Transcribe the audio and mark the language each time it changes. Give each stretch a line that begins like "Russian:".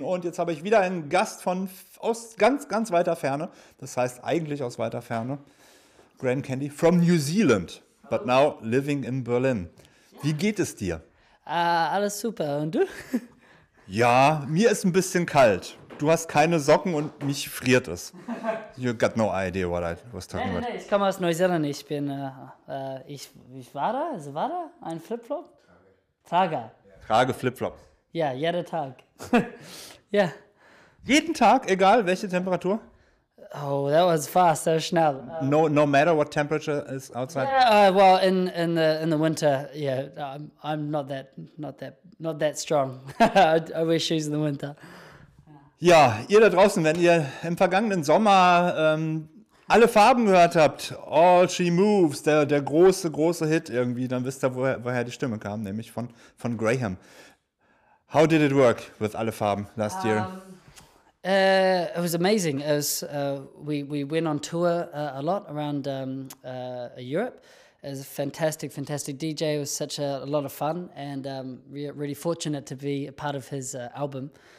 German: Und jetzt habe ich wieder einen Gast von aus ganz, ganz weiter Ferne. Das heißt eigentlich aus weiter Ferne.
English: Graham Candy from New Zealand, but now living in Berlin.
German: Wie geht es dir? Alles super. Und du? Ja, mir ist ein bisschen kalt. Du hast keine Socken und mich friert es.
English: You got no idea what I was talking about.
German: Ich komme aus Neuseeland. Ich bin, ich war da? Ein Flipflop? Trager. Trage Flipflop. Ja, jeden Tag. Ja. Jeden Tag, egal welche Temperatur?
English: Oh, that was fast. That was
German: schnell.
English: No matter what temperature is outside. Yeah, well, in the winter, yeah, I'm not that strong. I wear shoes in the winter.
German: Ja, ihr da draußen, wenn ihr im vergangenen Sommer alle Farben gehört habt, All She Moves, der große, große Hit irgendwie, dann wisst ihr, woher die Stimme kam, nämlich von Graham.
English: How did it work with alle Farben last year? It was amazing. We went on tour a lot around Europe. It was a fantastic, fantastic DJ. It was such a lot of fun, and really fortunate to be a part of his album.